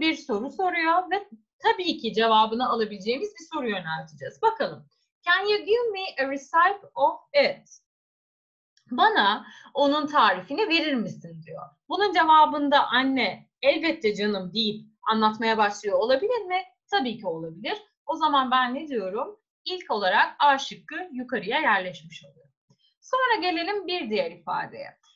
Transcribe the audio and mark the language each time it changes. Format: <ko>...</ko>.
<tr>Bir soru soruyor ve tabii ki cevabını alabileceğimiz bir soru yönelteceğiz. Bakalım.</tr> <en>Can you give me a recipe of it?</en> <tr>Bana onun tarifini verir misin diyor. Bunun cevabında anne elbette canım deyip anlatmaya başlıyor olabilir mi? Tabii ki olabilir. O zaman ben ne diyorum? ilk olarak A şıkkı yukarıya yerleşmiş oluyor. Sonra gelelim bir diğer ifadeye.</tr>